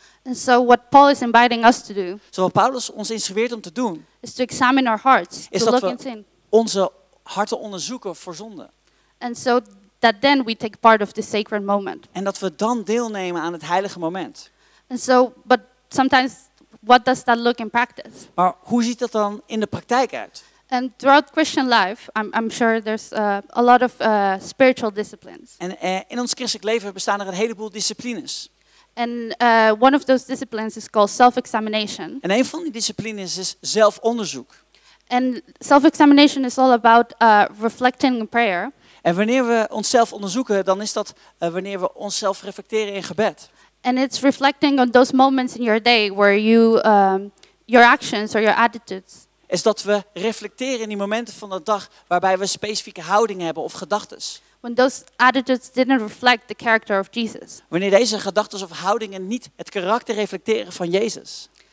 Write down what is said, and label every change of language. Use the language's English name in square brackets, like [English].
[English] And so what Paul is inviting us to do. [Dutch] Zo wat Paulus ons instrueert om te doen. [English] Is to examine our hearts. Is to dat we and sin. [Dutch] Onze harten onderzoeken voor zonde. [English] And so that then we take part of the sacred moment. [Dutch] En dat we dan deelnemen aan het heilige moment. [English] And so, but sometimes, what does that look in practice? [Dutch] Maar hoe ziet dat dan in de praktijk uit? [English] And throughout Christian life, I'm sure there's a lot of spiritual disciplines. [Dutch] En in ons christelijk leven bestaan er een heleboel disciplines. [English] And one of those disciplines is called self-examination. [Dutch] En een van die disciplines is zelfonderzoek. [English] And self-examination is all about reflecting in prayer. [Dutch] En wanneer we onszelf onderzoeken, dan is dat wanneer we onszelf reflecteren in gebed. [English] And it's reflecting on those moments in your day where you your actions or your attitudes. [Dutch] Is dat we reflecteren in die momenten van de dag waarbij we specifieke houdingen hebben of gedachtes. [English] When those attitudes didn't reflect the character of Jesus. [Dutch] Wanneer deze gedachtes of houdingen niet het karakter reflecteren van Jezus.